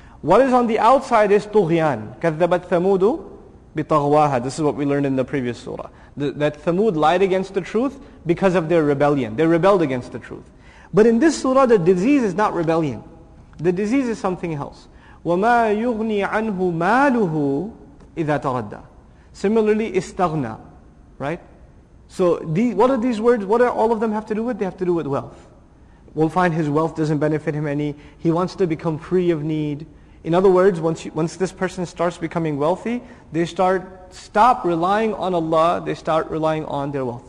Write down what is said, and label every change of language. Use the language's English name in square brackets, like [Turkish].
[English] What is on the outside is طُغْيَان. [Arabic] كَذَّبَتْ ثَمُودُ بِطَغْوَاهَا. [English] This is what we learned in the previous surah. That Thamud lied against the truth because of their rebellion. They rebelled against the truth. But in this surah, the disease is not rebellion. The disease is something else. [Arabic] وَمَا يُغْنِي عَنْهُ مَالُهُ إِذَا تَرَدَّى. [English] Similarly, istaghna, right? So what are these words, what do all of them have to do with? They have to do with wealth. We'll find his wealth doesn't benefit him any. He wants to become free of need. In other words, once this person starts becoming wealthy, they stop relying on Allah, they start relying on their wealth.